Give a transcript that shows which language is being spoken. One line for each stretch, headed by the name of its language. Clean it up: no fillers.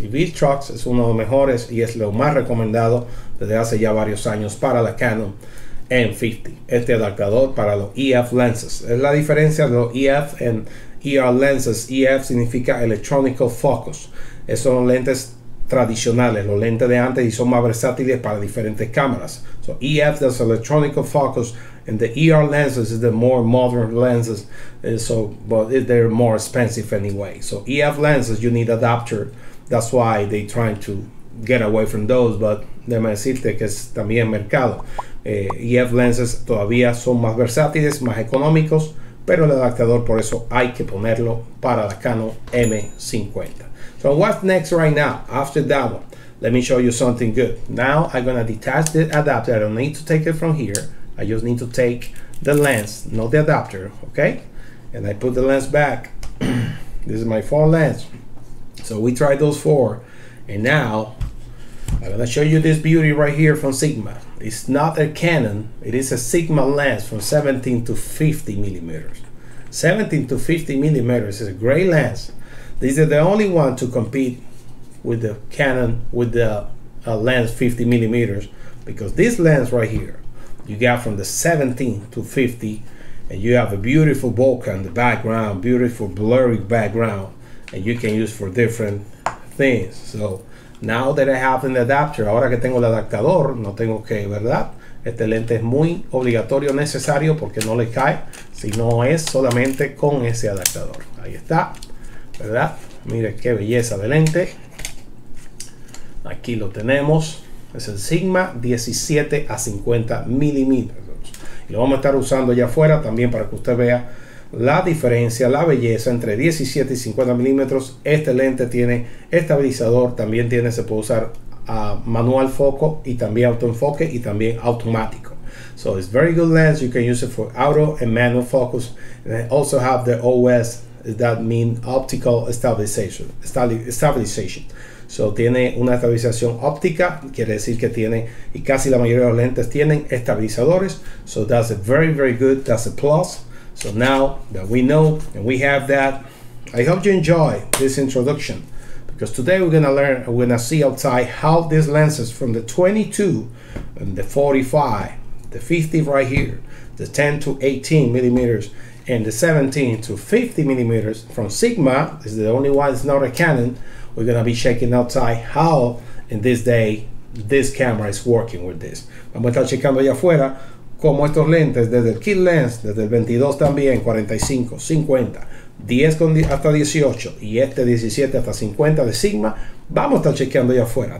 Spanish: Y Viltrox es uno de los mejores y es lo más recomendado desde hace ya varios años para la Canon M50. Este adaptador para los EF lenses. Es la diferencia de los EF en ER lenses. EF significa electronic focus. Esos son lentes tradicionales, los lentes de antes, y son más versátiles para diferentes cámaras.
English: So EF does electronic focus, and the ER lenses is the more modern lenses, but they're more expensive anyway. So EF lenses, you need adapter. That's why they trying to get away from those, but
Spanish: déjame decirte que es también mercado. EF lenses todavía son más versátiles, más económicos, pero el adaptador por eso hay que ponerlo para la Canon M50.
English: So what's next right now? After that one, let me show you something good. Now I'm gonna detach the adapter. I don't need to take it from here. I just need to take the lens, not the adapter, okay? And I put the lens back. This is my phone lens. So we tried those four. And now I'm gonna show you this beauty right here from Sigma. It's not a Canon, it is a Sigma lens from 17 to 50 millimeters. 17 to 50 millimeters is a great lens. This is the only one to compete with the Canon with the lens 50 millimeters, because this lens right here, you got from the 17 to 50, and you have a beautiful bokeh in the background, beautiful blurry background, and you can use for different things. So now that I have an adapter,
Spanish: ahora que tengo el adaptador, no tengo que, ¿verdad? Este lente es muy obligatorio, necesario, porque no le cae si no es solamente con ese adaptador. Ahí está, ¿verdad? Mire qué belleza de lente. Aquí lo tenemos. Es el Sigma 17 a 50 milímetros. Y lo vamos a estar usando allá afuera también para que usted vea la diferencia, la belleza entre 17 y 50 milímetros. Este lente tiene estabilizador, también tiene, se puede usar manual foco y también autoenfoque y también automático.
English: So it's very good lens. You can use it for auto and manual focus. And I also have the OS. That mean optical stabilization.
Spanish: So tiene una estabilización óptica, quiere decir que tiene, y casi la mayoría de los lentes tienen estabilizadores.
English: So that's a very, very good, that's a plus. So now that we know and we have that, I hope you enjoy this introduction, because today we're gonna learn, we're gonna see outside how these lenses from the 22 and the 45, the 50 right here, the 10 to 18 millimeters, and the 17 to 50 millimeters from Sigma, this is the only one that's not a Canon, we're gonna be checking outside how, in this day, this camera is working with this.
Spanish: Vamos a estar checando allá afuera cómo estos lentes, desde el kit lens, desde el 22 también, 45, 50, 10 hasta 18, y este 17 hasta 50 de Sigma, vamos a estar checando allá afuera.